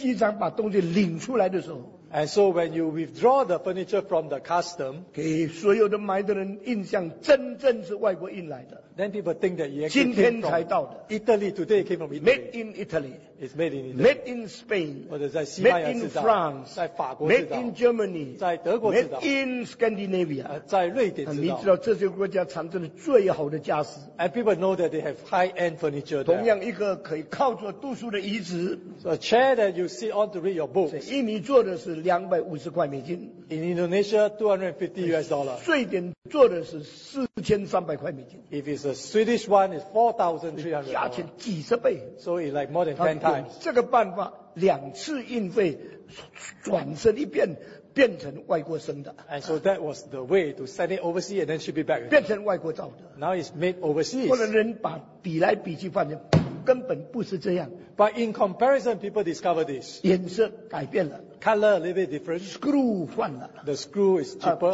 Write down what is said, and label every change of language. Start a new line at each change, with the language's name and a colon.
Chinese: 所以他们在港口在飞机上把东西领出来的时候,
English: And so when you withdraw the furniture from the custom,
Chinese: 给所有的买的人印象真正是外国印来的,
English: then people think that you
Chinese: actually 今天才到的,
English: came from Italy. Today came from Italy. Made in Italy. It's made in Italy. Made in Spain.
Chinese: 或者在西班牙制造,
English: made in France.
Chinese: 在法国制造,
English: made in Germany.
Chinese: 在德国制造,
English: made in Scandinavia.
Chinese: 在瑞典制造, 你知道这些国家产生的最好的家私,
English: and people know that they have high-end furniture there.
Chinese: 同样一个可以靠着读书的椅子,
English: so a chair that you sit on to read your books.
Chinese: 印尼做的是 250块美金,
English: in Indonesia, $250.
Chinese: 瑞典做的是4300块美金,
English: if it's a Swedish one, it's $4,300.
Chinese: 价钱几十倍,
English: so it's like more than 10 times.
Chinese: 这个办法, 两次运费, 转身一遍, 变成外国生的,
English: and so that was the way to send it overseas and then ship it back.
Chinese: 变成外国造的,
English: now it's made overseas.
Chinese: 或者人把笔来笔去放进, 根本不是这样,
English: but in comparison, people discover this.
Chinese: 颜色改变了,
English: color a little bit different.
Chinese: Screw 换了,
English: the screw is cheaper.